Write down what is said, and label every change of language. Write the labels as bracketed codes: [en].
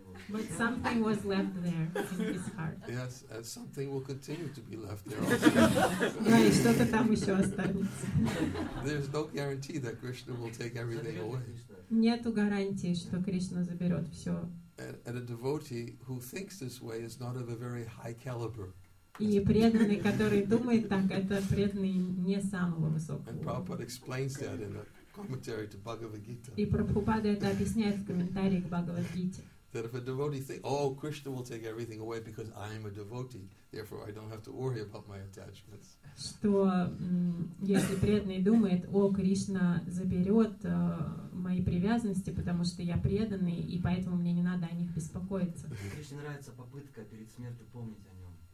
[en] But something was left there in his heart. Yes, and something will continue to be left there also. Right. There's no guarantee that Krishna will take everything away. [ru] Нету гарантии, что Кришна заберет все. [en] And a devotee who thinks this way is not of a very high caliber. [ru] И преданный, который думает так, это преданный не самого высокого. [en] And Prabhupada explains that in a commentary to Bhagavad Gita. [ru] И Прабхупада это объясняет в комментарии к Бхагавад Гите. [en] That if a devotee thinks, oh, Krishna will take everything away because I am a devotee, therefore I don't have to worry about my attachments. [ru] Что если преданный думает, о, Кришна заберет мои привязанности, потому что я преданный, и поэтому мне не надо о них беспокоиться. Кришне нравится попытка перед смертью помнить о нем.